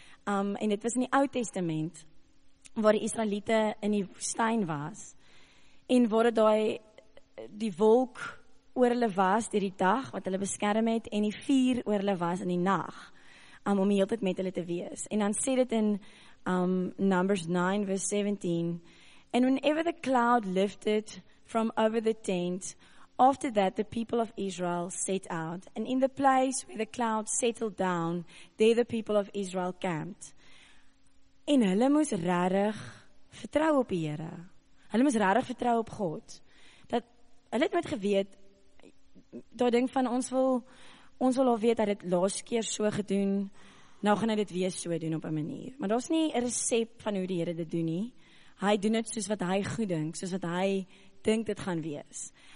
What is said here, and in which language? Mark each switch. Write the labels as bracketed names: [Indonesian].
[Afrikaans] En dit was in die Ou Testament, waar die Israeliete in die woestyn was, en waar het die wolk oor hulle was deur die dag, wat hulle beskerm het, en die vuur oor hulle was in die nag, om die hele tyd met hulle te wees. En dan sê dit in Numbers 9 vers 17, [English] "And whenever the cloud lifted from over the tent, after that the people of Israel set out, and in the place where the cloud settled down, there the people of Israel camped." [Afrikaans] En hulle moes regtig vertrou op die Here. Hulle moes regtig vertrou op God. Dat hulle het met geweet, daai ding van ons wil al weet dat dit laas keer so gedoen, nou gaan hy dit weer so doen op 'n manier. Maar daar's nie 'n resep van hoe die Here dit doen nie. Hy doen dit soos wat hy goed dink, soos wat hy dink dit gaan wees.